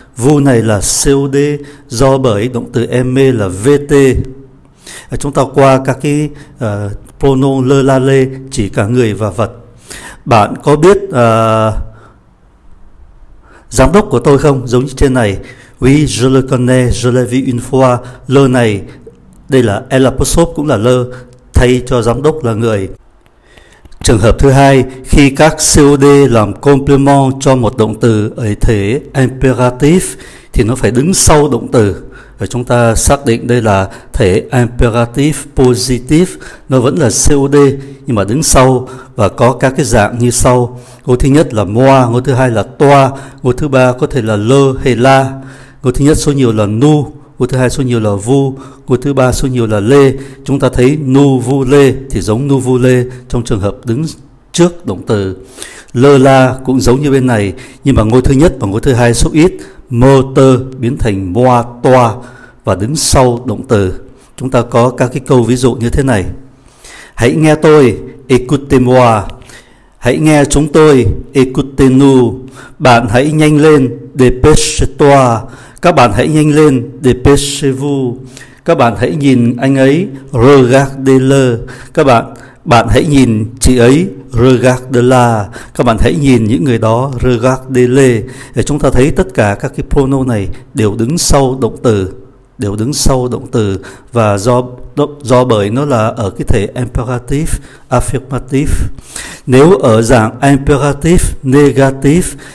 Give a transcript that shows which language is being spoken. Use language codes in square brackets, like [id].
[vi] Vu này là COD, do bởi động từ aimer là VT. Chúng ta qua các cái pronoun lơ la lê chỉ cả người và vật. Bạn có biết giám đốc của tôi không? Giống như trên này. [fr] Oui, je le connais, je l'ai vu une fois. [vi] Lơ này, đây là L apostrophe cũng là lơ, thay cho giám đốc là người. Trường hợp thứ hai, khi các COD làm complement cho một động từ ở thể imperative thì nó phải đứng sau động từ. Và chúng ta xác định đây là thể imperative positive, nó vẫn là COD nhưng mà đứng sau và có các cái dạng như sau. Ngôi thứ nhất là moi, ngôi thứ hai là toi, ngôi thứ ba có thể là le hay la. Ngôi thứ nhất số nhiều là nu, ngôi thứ hai số nhiều là vu, ngôi thứ ba số nhiều là lê. Chúng ta thấy nu vu lê thì giống nu vu lê trong trường hợp đứng trước động từ. Lơ la cũng giống như bên này nhưng mà ngôi thứ nhất và ngôi thứ hai số ít, mơ tơ biến thành moi toa và đứng sau động từ. Chúng ta có các cái câu ví dụ như thế này. Hãy nghe tôi, [fr] écoutez-moi. [vi] Hãy nghe chúng tôi, [fr] écoutez-nous. [vi] Bạn hãy nhanh lên, [fr] dépêche-toi. [vi] Các bạn hãy nhanh lên, [fr] dépêchez-vous. [vi] Các bạn hãy nhìn anh ấy, [fr] regardez-le. [vi] Các bạn hãy nhìn chị ấy, [fr] regardez-la. [vi] Các bạn hãy nhìn những người đó, [fr] regardez-les. [vi] Để chúng ta thấy tất cả các cái pronoun này đều đứng sau động từ, đều đứng sau động từ và do bởi nó là ở cái thể imperative, affirmative. Nếu ở dạng imperative, negative